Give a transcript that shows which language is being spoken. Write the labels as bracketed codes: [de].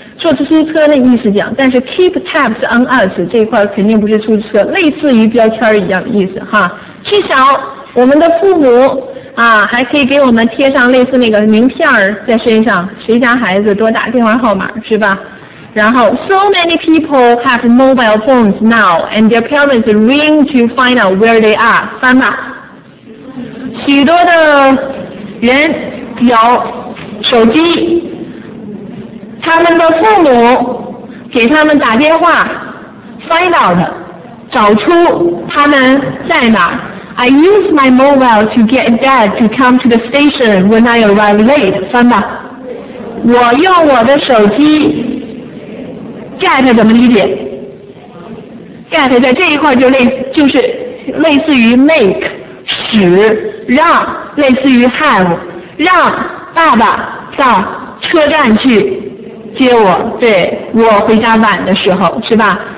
[zh] 坐出租车的意思讲，但是 keep tabs on us 这一块肯定不是出租车，类似于标签一样的意思哈。至少我们的父母啊，还可以给我们贴上类似那个名片在身上，谁家孩子多打电话号码是吧？ [en] 然后 so many people have mobile phones now and their parents ring to find out where they are. [zh] 翻吧，许多的人有手机。他们的父母给他们打电话 find out 找出他们在哪儿。 [en] I use my mobile to get dad to come to the station when I arrive late. [zh] 翻吧，我用我的手机 get 怎么理解？ get 在这一块就是类似于 make 使让，类似于 have 让爸爸到车站去接我，对，我回家晚的时候是吧。